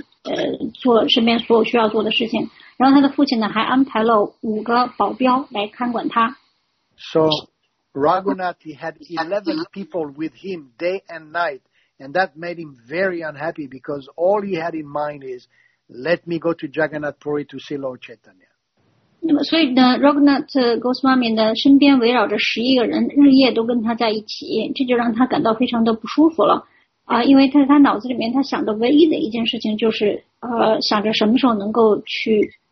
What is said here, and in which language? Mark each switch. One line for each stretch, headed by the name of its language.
Chinese: 那么当时的这种状况就是只要让Goswami待在家里面，那么他的这个四个仆人呢，就贴身的照顾他，为他做饭，为他这个做身边所有需要做的事情。然后他的父亲呢，还安排了5个保镖来看管他。So
English: Raghunath had 11 people with him day and night, and that made him very unhappy because all he had in mind is, let me go to Jagannath Puri to see Lord Chaitanya.
Chinese: 那么所以呢 ，Raghunath Goswami 呢，身边围绕着11个人，日夜都跟他在一起，这就让他感到非常的不舒服了。因为他脑子里面他想的唯一的一件事情就是想着什么时候能够去。